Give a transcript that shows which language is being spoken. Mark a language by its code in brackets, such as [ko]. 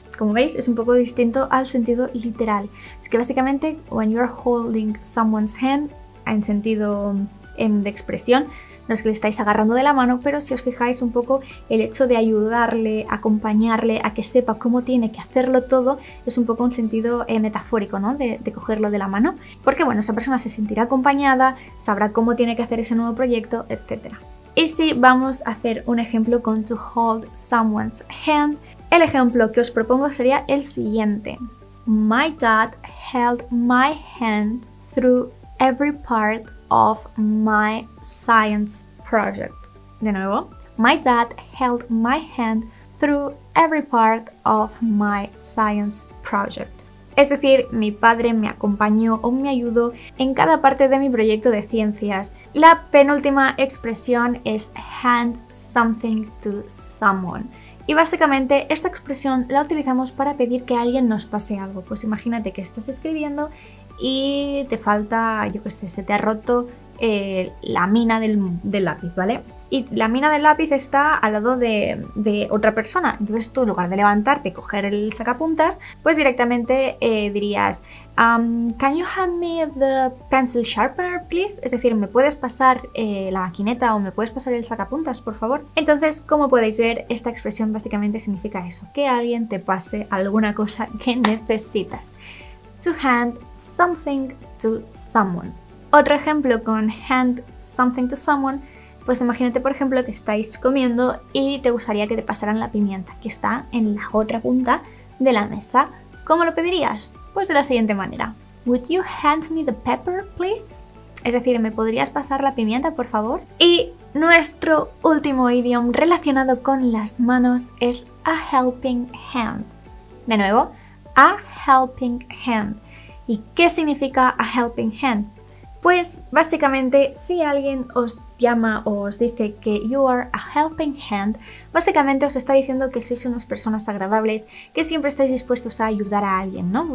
[es] Como veis, es un poco distinto al sentido literal. Así que básicamente, [en] when you're holding someone's hand, [es] en sentido de expresión, no es que le estáis agarrando de la mano, pero si os fijáis un poco, el hecho de ayudarle, acompañarle, a que sepa cómo tiene que hacerlo todo, es un poco un sentido metafórico, ¿no? De cogerlo de la mano. Porque, bueno, esa persona se sentirá acompañada, sabrá cómo tiene que hacer ese nuevo proyecto, etc. Y si vamos a hacer un ejemplo con [en] to hold someone's hand, [es] el ejemplo que os propongo sería el siguiente. [en] My dad held my hand through every part of my science project. [es] De nuevo, [en] my dad held my hand through every part of my science project. [es] Es decir, mi padre me acompañó o me ayudó en cada parte de mi proyecto de ciencias. La penúltima expresión es [en] hand something to someone. [es] Y básicamente esta expresión la utilizamos para pedir que alguien nos pase algo. Pues imagínate que estás escribiendo y te falta, yo qué sé, se te ha roto la mina del lápiz, ¿vale? Y la mina del lápiz está al lado de otra persona. Entonces tú, en lugar de levantarte y coger el sacapuntas, pues directamente dirías [en] can you hand me the pencil sharpener, please? [es] Es decir, ¿me puedes pasar la maquineta o me puedes pasar el sacapuntas, por favor? Entonces, como podéis ver, esta expresión básicamente significa eso. Que alguien te pase alguna cosa que necesitas. [en] To hand something to someone. [es] Otro ejemplo con [en] hand something to someone, [es] pues imagínate por ejemplo que estáis comiendo y te gustaría que te pasaran la pimienta que está en la otra punta de la mesa. ¿Cómo lo pedirías? Pues de la siguiente manera. [en] Would you hand me the pepper, please? [es] Es decir, ¿me podrías pasar la pimienta, por favor? Y nuestro último idioma relacionado con las manos es [en] a helping hand. [es] De nuevo, [en] a helping hand. [es] ¿Y qué significa [en] a helping hand? [es] Pues básicamente, si alguien os llama o os dice que [en] you are a helping hand, [es] básicamente os está diciendo que sois unas personas agradables, que siempre estáis dispuestos a ayudar a alguien, ¿no?